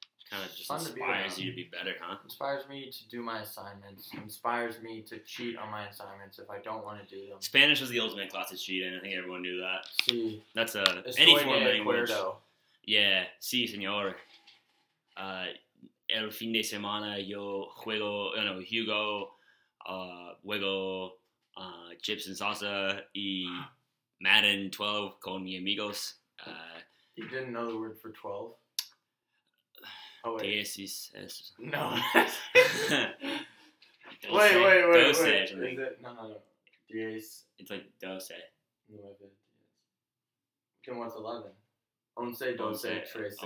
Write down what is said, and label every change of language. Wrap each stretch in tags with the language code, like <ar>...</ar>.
<en>Kind of just inspires you to be better, huh? Inspires me to do my assignments. Inspires me to cheat on my assignments if I don't want to do them. Spanish was the ultimate class to cheat in. I think everyone knew that.</en> <es>Si.</es> <en>That's any form of language. Yeah.</en> <es>Si, señor. El fin de semana yo juego,</es> <en>you know,</en> <es>Hugo, juego,</es> <en>chips and salsa</en> <es>y Madden 12 con mi amigos.</es> <en>You didn't know the word for 12? Oh, wait.</en> <es>Dosis.</es> <en>No. Wait. Dosage. Is it? No.</en> <es>Dias.</es> <en>It's like Dose.</en> <es>Nueve Dias.</es> <en>Then what's 11?</en> <es>Once, doce, trece.</es>